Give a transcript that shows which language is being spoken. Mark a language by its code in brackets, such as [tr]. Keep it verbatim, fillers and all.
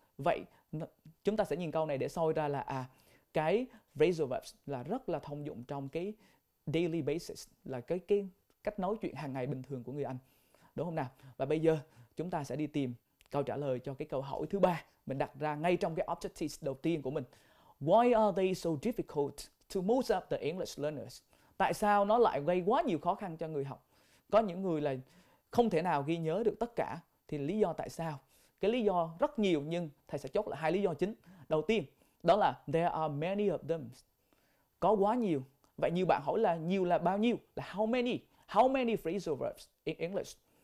[vi] Vậy chúng ta sẽ nhìn câu này để soi ra là à, cái phrasal verbs là rất là thông dụng trong cái daily basis, là cái, cái cách nói chuyện hàng ngày bình thường của người Anh, đúng không nào? Và bây giờ chúng ta sẽ đi tìm câu trả lời cho cái câu hỏi thứ ba mình đặt ra ngay trong cái objectives đầu tiên của mình. [en] Why are they so difficult to most of the English learners? [vi] Tại sao nó lại gây quá nhiều khó khăn cho người học? Có những người là không thể nào ghi nhớ được tất cả. Thì lý do tại sao? Cái lý do rất nhiều nhưng thầy sẽ chốt lại hai lý do chính. Đầu tiên đó là [en] there are many of them. [vi] Có quá nhiều. Vậy nhiều bạn hỏi là nhiều là bao nhiêu? Là [en] how many? How many phrasal verbs in English?